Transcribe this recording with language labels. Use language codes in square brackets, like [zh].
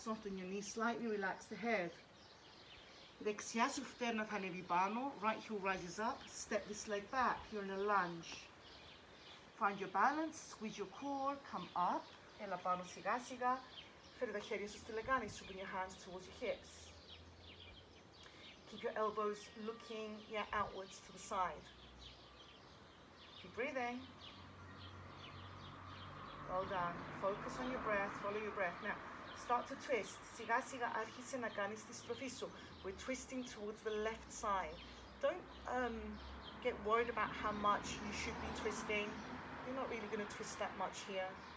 [en] Soften your knees slightly, relax the head. [el] Δεξιά σου φτέρνα θα ανέβει πάνω. [en] Right heel rises up. Step this leg back. You're in a lunge. Find your balance. Squeeze your core. Come up. [el] Έλα πάνω σιγά σιγά. Φέρε τα χέρια σου στη λεγάνη σου. [en] Bring your hands towards your hips. Keep your elbows looking, yeah, outwards to the side. Keep breathing. Well done. Focus on your breath. Follow your breath. Now, start to twist. [el] Σιγά σιγά άρχισε να κάνεις τη στροφή σου. [en] We're twisting towards the left side. Don't get worried about how much you should be twisting. You're not really going to twist that much here.